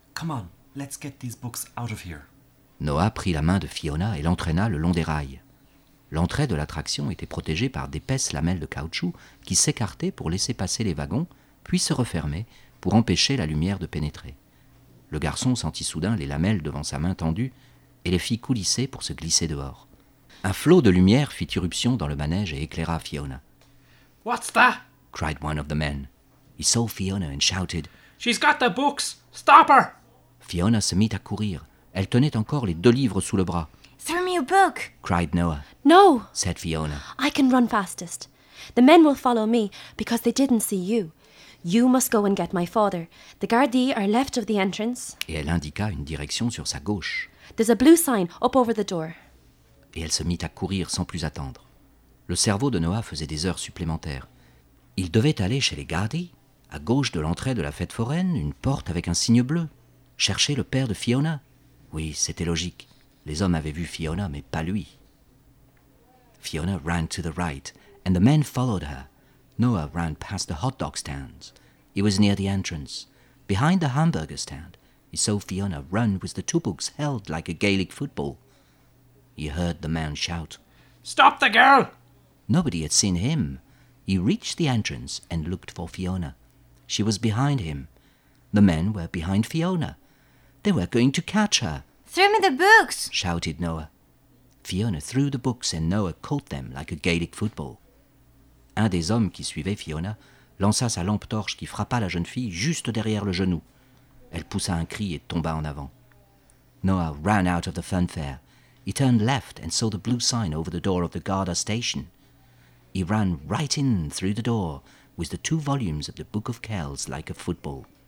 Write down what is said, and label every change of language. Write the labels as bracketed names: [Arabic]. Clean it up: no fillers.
[English] « Come on, let's get these books out of here. » [French] Noah prit la main de Fiona et l'entraîna le long des rails. L'entrée de l'attraction était protégée par d'épaisses lamelles de caoutchouc qui s'écartaient pour laisser passer les wagons, puis se refermaient pour empêcher la lumière de pénétrer. Le garçon sentit soudain les lamelles devant sa main tendue et les fit coulisser pour se glisser dehors. Un flot de lumière fit irruption dans le manège et éclaira Fiona. [English] « What's that ?» cried one of the men. He saw Fiona and shouted, « She's got the books ! Stop her !» [French] Fiona se mit à courir. Elle tenait encore les deux livres sous le bras. [English] « Throw me a book !» cried Noah. « No !» said Fiona. « I can run fastest. The men will follow me because they didn't see you. You must go and get my father. The gardi are left of the entrance. » [French] Et elle indiqua une direction sur sa gauche. [English] « There's a blue sign up over the door. » [French] Et elle se mit à courir sans plus attendre. Le cerveau de Noah faisait des heures supplémentaires. Il devait aller chez les gardi, à gauche de l'entrée de la fête foraine, une porte avec un signe bleu, chercher le père de Fiona. Oui, c'était logique. Les hommes avaient vu Fiona, mais pas lui. [English] Fiona ran to the right, and the men followed her. Noah ran past the hot dog stands. He was near the entrance. Behind the hamburger stand, he saw Fiona run with the two books held like a Gaelic football. He heard the man shout, "Stop the girl!" Nobody had seen him. He reached the entrance and looked for Fiona. She was behind him. The men were behind Fiona. They were going to catch her. "Throw me the books!" shouted Noah. Fiona threw the books and Noah caught them like a Gaelic football. [French] Un des hommes qui suivait Fiona lança sa lampe torche qui frappa la jeune fille juste derrière le genou. Elle poussa un cri et tomba en avant. [English] Noah ran out of the funfair. He turned left and saw the blue sign over the door of the Garda station. He ran right in through the door with the two volumes of the Book of Kells like a football.